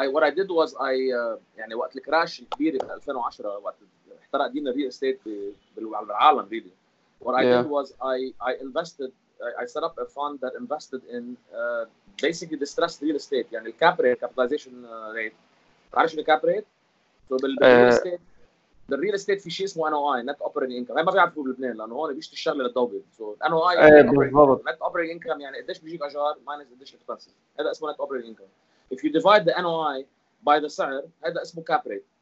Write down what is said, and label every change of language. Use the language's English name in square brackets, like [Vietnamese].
[English] What I did was [Arabic] يعني وقت الكراش الكبير في 2010 وقت احترق دينا الريل استيت بالعالم ريلي. [English] What I did was I set up a fund that invested in basically distressed real estate. [Arabic] يعني الكاب ريت capitalization rate. تعرف شو الكاب ريت؟ So بالريل استيت في شيء اسمه NOI net operating income. هاي ما بيعرفوه بلبنان لأنه هون بيشتغل الشغل للدوبل. [English] So NOI net operating income [Arabic] يعني قديش بيجيك أجار [English] minus قديش expenses. [Arabic] هذا اسمه [English] net operating income. If you divide the NOI by the سعر هذا اسمه cap rate.